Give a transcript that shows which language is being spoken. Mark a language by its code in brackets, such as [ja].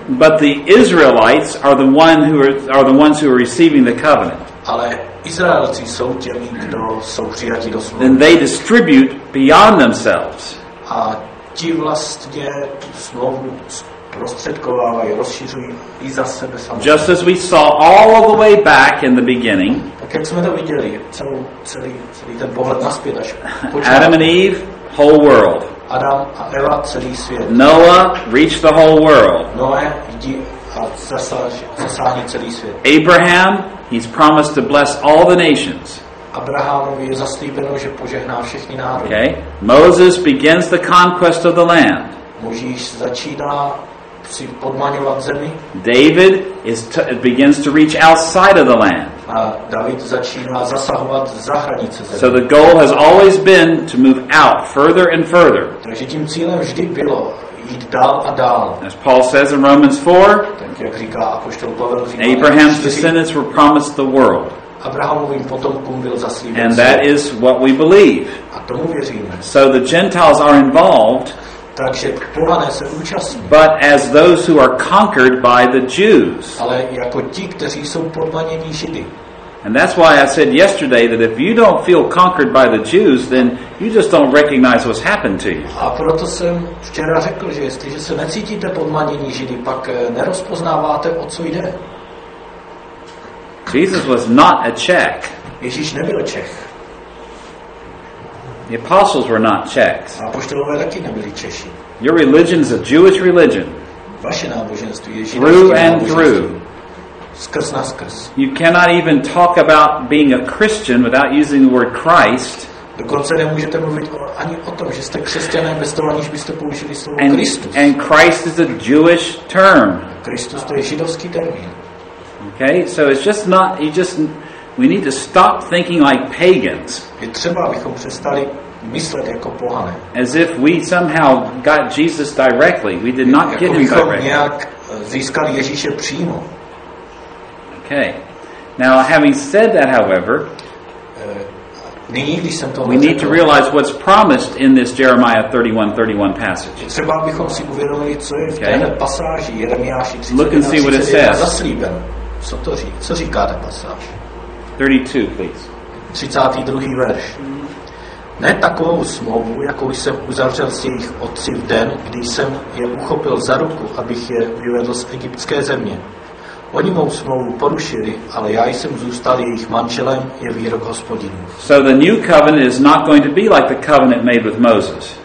[en] But the Israelites are the one who are the ones who are receiving the covenant. [cs] Ale Izraelci jsou těmi, kdo jsou přijatí do smlouvy. [en] And they distribute beyond themselves. [cs] A ti vlastně tu smlouvu prostředkovávají, rozšiřují i za sebe samotné. [en] Just as we saw all the way back in the beginning. [cs] Tak jak jsme to viděli, celý ten pohled nazpět až. [en] Adam and Eve, whole world. [cs] Adam a Eva, celý svět. [en] Noah reached the whole world. [cs] Noah vidí a zasáhne celý svět. [en] Abraham, he's promised to bless all the nations. [cs] Abrahamovi je zaslíbeno, že požehná všechny národy. [en] Okay. Moses begins the conquest of the land. [cs] Mojžíš začíná si podmaňovat zemi. [en] David begins to reach outside of the land. [cs] A David začíná zasahovat za hranice zemi. [en] So the goal has always been to move out further and further. [cs] Takže tím cílem vždy bylo jít dál a dál. [en] As Paul says in Romans 4, [cs] tak jak říká apoštol Pavel, říká [en] Abraham's descendants were promised the world. [cs] Abrahamovým potomkům byl zaslíben. [en] And that is what we believe. [cs] A tomu věříme. [en] So the Gentiles are involved. [cs] Takže pohané se účastní. [en] But as those who are conquered by the Jews. [cs] Ale jako ti, kteří jsou podmaněni Židy. [en] And that's why I said yesterday that if you don't feel conquered by the Jews, then you just don't recognize what's happened to you. [cs] A proto jsem včera řekl, že jestliže se necítíte podmanění Židy, pak nerozpoznáváte, o co jde. [en] Jesus was not a Czech. [cs] Ježíš nebyl Čech. [en] The apostles were not Czechs. [cs] Apoštolové taky nebyli Češi. [en] Your religion is a Jewish religion. [cs] Vaše náboženství je židovské. [en] Through and through. [cs] Skrz naskrz. [en] You cannot even talk about being a Christian without using the word Christ. [cs] Dokonce nemůžete mluvit ani o tom, že jste křesťané, bez toho, aniž byste použili slovo Kristus. [en] And Christ is a Jewish term. [cs] Kristus to je židovský termín. [en] Okay, so it's just not, we need to stop thinking like pagans. [cs] Je třeba, abychom přestali myslet jako pohané. [en] As if we somehow got Jesus directly. We did not get him directly. [cs] Jako bychom nějak získali Ježíše přímo. [en] Okay. Now, having said that, however, [cs] nyní, když jsem to [en] we need to realize what's promised in this Jeremiah 31:31 passage. [cs] Třeba, abychom si uvědomili, co je okay. V téhle pasáži Jeremiáši 31:31. [en] Look and see what it says. [cs] Zaslíben. Co to říká? Co říká ta pasáž? [en] 32, please. [cs] 32. verš. Ne takovou smlouvu, jakou jsem uzavřel s jejich otci v den, kdy jsem je uchopil za ruku, abych je vyvedl z egyptské země. Oni mou smlouvu porušili, ale já jsem zůstal jejich manželem, je výrok Hospodinův. [en] So the new covenant is not going to be like the covenant made with Moses.